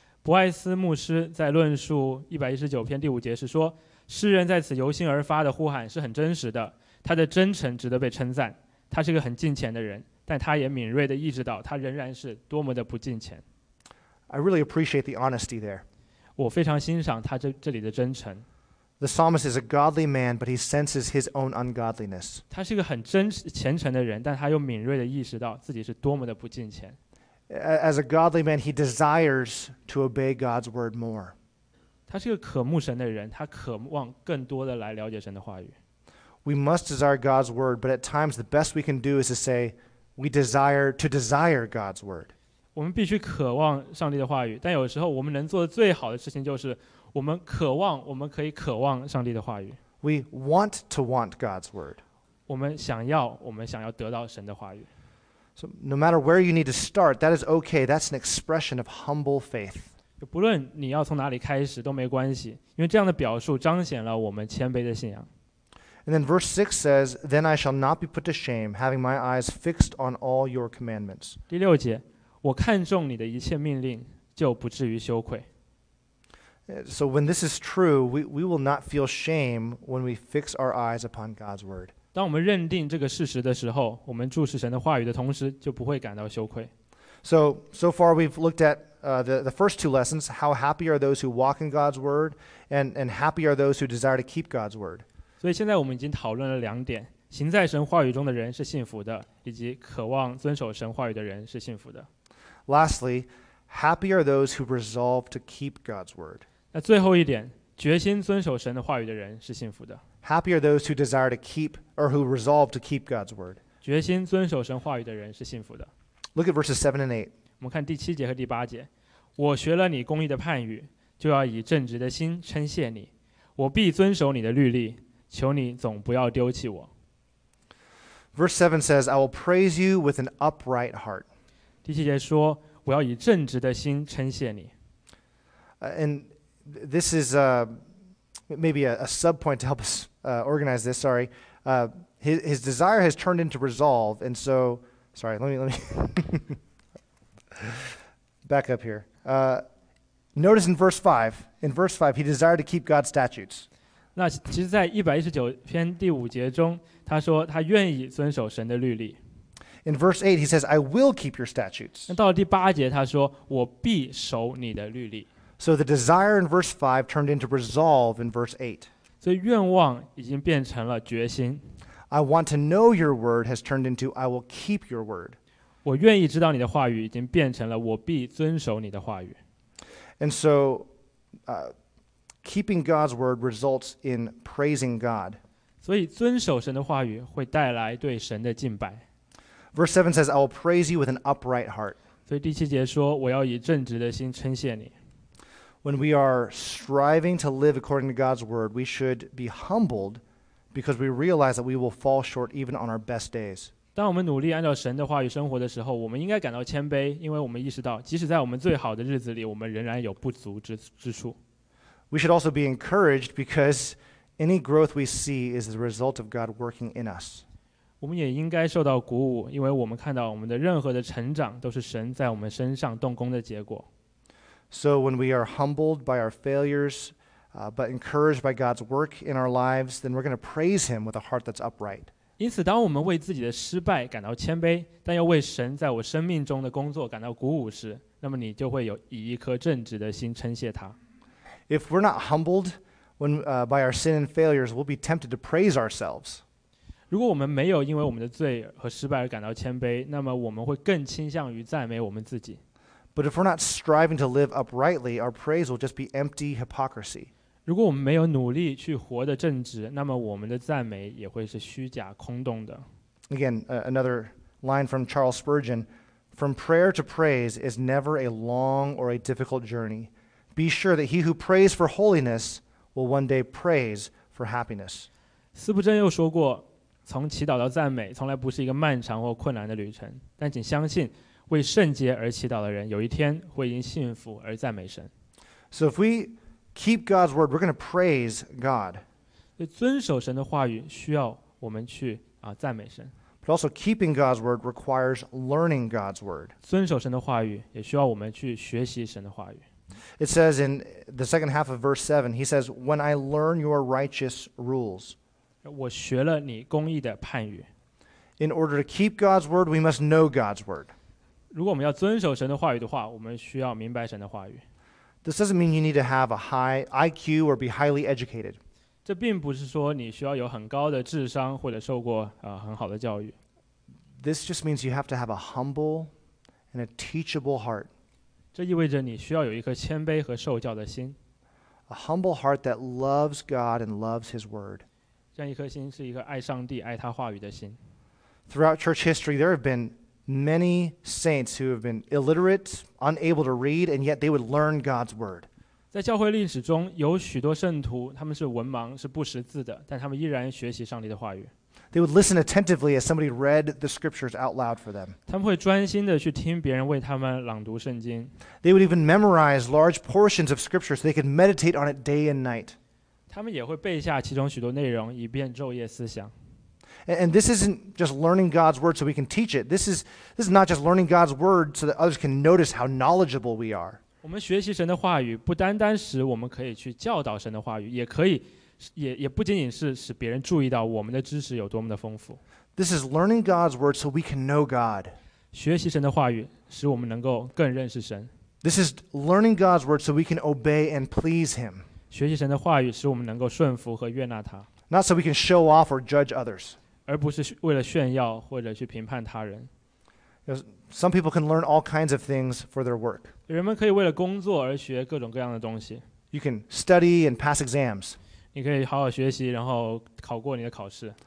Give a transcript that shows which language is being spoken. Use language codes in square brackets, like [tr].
[zh] 博爱斯牧师在论述119篇第五节是说，诗人在此由心而发的呼喊是很真实的，他的真诚值得被称赞，他是个很敬虔的人。但他也敏锐地意识到他仍然是多么的不敬虔。 [en] I really appreciate the honesty there. [zh] 我非常欣赏他这里的真诚。 [en] The psalmist is a godly man, but he senses his own ungodliness. [zh] 他是一个很真实虔诚的人，但他又敏锐地意识到自己是多么的不敬虔。 [en] As a godly man, he desires to obey God's word more. [zh] 他是一个渴慕神的人，他渴望更多地来了解神的话语。 [en] We must desire God's word, but at times the best we can do is to say,We desire to desire God's word. [zh] 我们必须渴望上帝的话语，但有时候我们能做的最好的事情就是我们渴望，我们可以渴望上帝的话语。 [en] We want to want God's word. [zh] 我们想要，我们想要得到神的话语。 [en] So no matter where you need to start, that is okay. That's an expression of humble faith. [zh] 不论你要从哪里开始都没关系，因为这样的表述彰显了我们谦卑的信仰。 [en] And then verse 6 says, Then I shall not be put to shame, having my eyes fixed on all your commandments. [zh] 第六节，我看重你的一切命令，就不至于羞愧。 [en] So when this is true, we will not feel shame when we fix our eyes upon God's word. [zh] 当我们认定这个事实的时候，我们注视神的话语的同时，就不会感到羞愧。 [en] So far we've looked at the first two lessons, how happy are those who walk in God's word, and happy are those who desire to keep God's word. [zh] 所以现在我们已经讨论了两点，行在神话语中的人是幸福的，以及渴望遵守神话语的人是幸福的。 [en] Lastly, happy are those who resolve to keep God's word. [zh] 那最后一点，决心遵守神的话语的人是幸福的。 [en] Happy are those who desire to keep or who resolve to keep God's word. [zh] 决心遵守神话语的人是幸福的。 [en] Look at verses 7 and 8. [zh] 我们看第七节和第八节。我学了你公义的判语，就要以正直的心称谢你。我必遵守你的律例。求你总不要丢弃我。 [en] Verse 7 says, I will praise you with an upright heart. [zh] 第七节说，我要以正直的心称谢你。 [en] And this is maybe a sub-point to help us organize this, sorry. His desire has turned into resolve, and so, sorry, let me back up here. Notice in verse 5, he desired to keep God's statutes. [zh] 那其实在119篇第五节中他说他愿意遵守神的律例。 [en] In verse 8 he says, I will keep your statutes. [zh] 那到了第八节他说我必守你的律例。 [en] So the desire in verse 5 turned into resolve in verse 8. [zh] 所以愿望已经变成了决心。 [en] I want to know your word has turned into I will keep your word. [zh] 我愿意知道你的话语已经变成了我必遵守你的话语。 [en] And so, keeping God's word results in praising God. [zh] 所以遵守神的话语会带来对神的敬拜。 [en] Verse 7 says, I will praise you with an upright heart. [zh] 所以第七节说，我要以正直的心称谢你。 [en] When we are striving to live according to God's word, we should be humbled because we realize that we will fall short even on our best days. [zh] 当我们努力按照神的话语生活的时候，我们应该感到谦卑，因为我们意识到，即使在我们最好的日子里，我们仍然有不足之处。 [en] We should also be encouraged because any growth we see is the result of God working in us. [zh] 我们也应该受到鼓舞，因为我们看到我们的任何的成长都是神在我们身上动工的结果。 [en] So when we are humbled by our failures, but encouraged by God's work in our lives, then we're going to praise Him with a heart that's upright. [zh] 因此，当我们为自己的失败感到谦卑，但又为神在我生命中的工作感到鼓舞时，那么你就会有以一颗正直的心称谢他。 [en] If we're not humbled when, by our sin and failures, we'll be tempted to praise ourselves. [zh] 如果我们没有因为我们的罪和失败而感到谦卑，那么我们会更倾向于赞美我们自己。 [en] But if we're not striving to live uprightly, our praise will just be empty hypocrisy. [zh] 如果我们没有努力去活得正直，那么我们的赞美也会是虚假空洞的。 [en] Again, another line from Charles Spurgeon, from prayer to praise is never a long or a difficult journey. Be sure that he who prays for holiness will one day praise for happiness. [zh] 斯普珍又说过，从祈祷到赞美从来不是一个漫长或困难的旅程，但请相信为圣洁而祈祷的人，有一天会因幸福而赞美神。 [en] So if we keep God's word, we're going to praise God. [zh] 遵守神的话语需要我们去赞美神。 [en] But also keeping God's word requires learning God's word. [zh] 遵守神的话语也需要我们去学习神的话语。 [en] It says in the second half of verse 7, he says, When I learn your righteous rules. [zh] 我学了你公义的判语。 [en] In order to keep God's word, we must know God's word. [zh] 如果我们要遵守神的话语的话，我们需要明白神的话语。 [en] This doesn't mean you need to have a high IQ or be highly educated. [zh] 这并不是说你需要有很高的智商或者受过很好的教育。 [en] This just means you have to have a humble and a teachable heart. [zh] 这意味着你需要有一颗谦卑和受教的心。 [en] A humble heart that loves God and loves His Word. [zh] 这样一颗心是一个爱上帝、爱他话语的心。 [en] Throughout church history, there have beenMany saints who have been illiterate, unable to read, and yet they would learn God's word. [zh] 在教会历史中，有许多圣徒，他们是文盲，是不识字的，但他们依然学习上帝的话语。 [en] They would listen attentively as somebody read the scriptures out loud for them. [zh] 他们会专心地去听别人为他们朗读圣经。 [en] They would even memorize large portions of scripture so they could meditate on it day and night. [zh] 他们也会背下其中许多内容，以便昼夜思想。 [en] And this isn't just learning God's word so we can teach it. This is not just learning God's word so that others can notice how knowledgeable we are. [zh] 我们学习神的话语不单单使我们可以去教导神的话语，也可以，也不仅仅是使别人注意到我们的知识有多么的丰富。 [en] This is learning God's word so we can know God. [zh] 学习神的话语使我们能够更认识神。 [en] This is learning God's word so we can obey and please Him. [zh] 学习神的话语使我们能够顺服和悦纳他。 [en] Not so we can show off or judge others. [zh] 而不是为了炫耀或者去评判他人。 [en] Some people can learn all kinds of things for their work. [zh] 人们可以为了工作而学各种各样的东西。 [en] You can study and pass exams. [zh] 你可以好好学习然后考过你的考试。